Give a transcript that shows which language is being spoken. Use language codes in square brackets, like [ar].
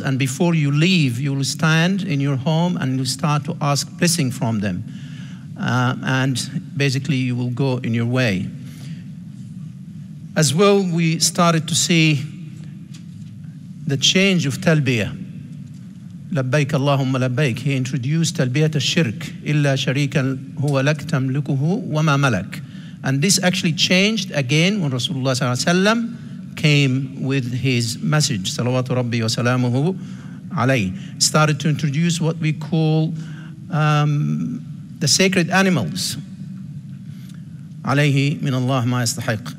[en] And before you leave, you will stand in your home and you start to ask blessing from them. And basically you will go in your way. As well, we started to see the change of talbiyah. [ar] لَبَّيْكَ اللَّهُمَّ لَبَّيْكَ. [en] He introduced [ar] تَلْبِيَةَ الشِّرْكِ إِلَّا شَرِيكًا هُوَ لَكْ تَمْلُكُهُ وَمَا مَلَكَ. [en] And this actually changed again when Rasulullah صلى الله عليه وسلم came with his message, [ar] صَلَوَاتُ رَبِّي وَسَلَامُهُ عَلَيْهِ. [en] Started to introduce what we call the sacred animals. [ar] عَلَيْهِ مِنَ اللَّهِ مَا يَسْتَحِقْ.